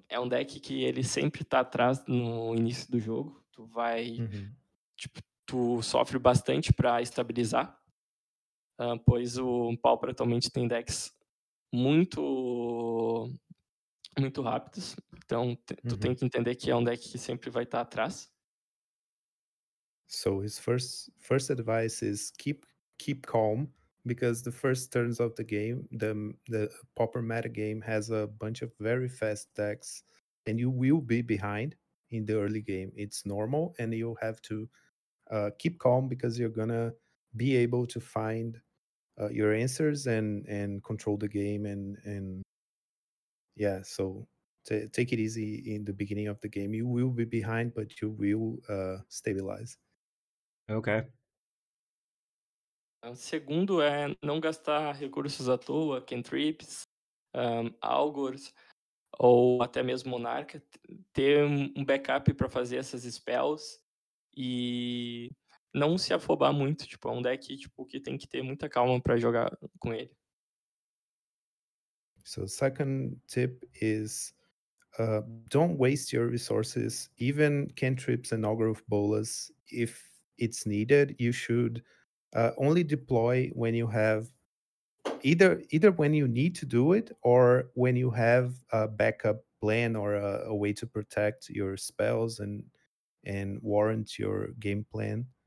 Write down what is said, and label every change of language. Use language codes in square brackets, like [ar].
[pt] É um deck que ele sempre tá atrás no início do jogo. Tu vai... Tipo, tu sofre bastante para estabilizar. Pois o Pauper atualmente tem decks muito... muito rápidos, então tu tem que entender que é um deck que sempre vai estar atrás. [en] So his first advice is keep calm, because the first turns of the game, the proper meta game has a bunch of very fast decks, and you will be behind in the early game. It's normal, and you have to keep calm, because you're gonna be able to find your answers and control the game and yeah, so take it easy in the beginning of the game. You will be behind, but you will stabilize. Okay. [pt] O segundo é não gastar recursos à toa, cantrips, augurs, ou até mesmo monarca. Ter um backup para fazer essas spells e não se afobar muito. Tipo, é um deck tipo, que tem que ter muita calma para jogar com ele. [en] So second tip is don't waste your resources, even cantrips and Augur of Bolas. If it's needed, you should only deploy when you have either when you need to do it or when you have a backup plan or a way to protect your spells and warrant your game plan.